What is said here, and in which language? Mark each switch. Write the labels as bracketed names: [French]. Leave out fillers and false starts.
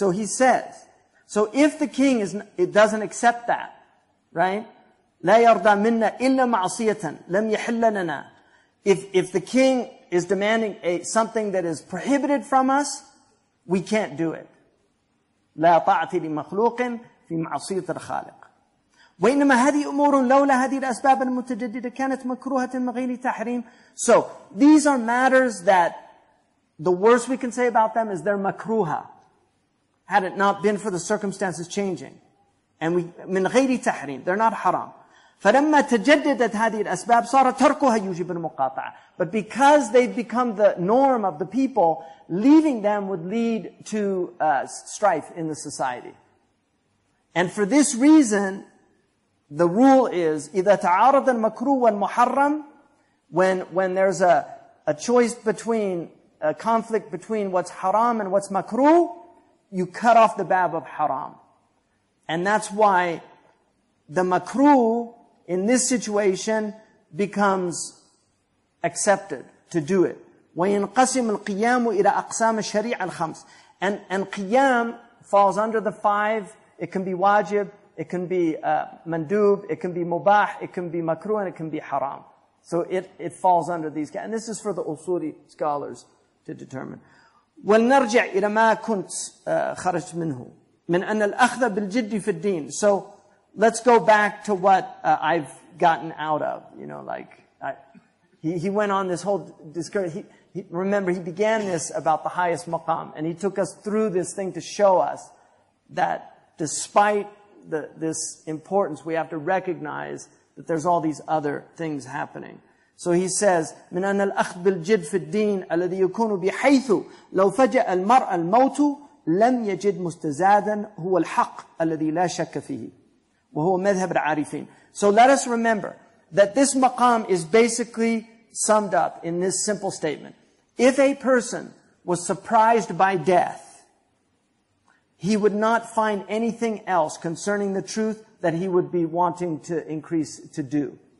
[English] So he says, so if the king is, it doesn't accept that, right? [Arabic] لا يرضى منا إلا معصية لم يحل لنا. [English] If the king is demanding something that is prohibited from us, we can't do it. [Arabic] لا طاعة لمخلوق في معصية الخالق. وإنما هذه أمور لولا هذه الأسباب المتجددة كانت مكروهة من غير تحريم. [English] So these are matters that the worst we can say about them is they're makruha. Had it not been for the circumstances changing, and we [Arabic] من غير تحريم, [English] they're not haram. [Arabic] فلما تجددت هذه الأسباب صار تركها يجب المقاطعة. [English] But because they've become the norm of the people, leaving them would lead to strife in the society. And for this reason, the rule is [Arabic] إذا تعارض المكروه والمحرم, [English] when there's a choice between a conflict between what's haram and what's makruh, you cut off the bab of haram. And that's why the makruh in this situation becomes accepted to do it. [Arabic] وينقسم القيام إلى أقسام الشريعة الخمس. [English] And qiyam falls under the five. It can be wajib, it can be mandub, it can be mubah, it can be makruh, and it can be haram. So it falls under these. And this is for the usuli scholars to determine. [Arabic] وَلْنَرْجِعْ إِلَى مَا كُنْتْ خَرَجْتْ مِنْهُ مِنْ أَنَّ الْأَخْذَ بِالْجِدِّ فِي الدِّينِ. [English] So let's go back to what I've gotten out of. You know, like, he went on this whole discourse. He, remember, he began this about the highest maqam, and he took us through this thing to show us that despite this importance, we have to recognize that there's all these other things happening. So he says, [Arabic] من أن الأخذ بالجد في الدين الذي يكون بحيث لو فجأ المرء الموت لم يجد مستزادا هو الحق الذي لا شك فيه وهو مذهب العارفين. [English] So let us remember that this maqam is basically summed up in this simple statement. If a person was surprised by death, he would not find anything else concerning the truth that he would be wanting to increase to do.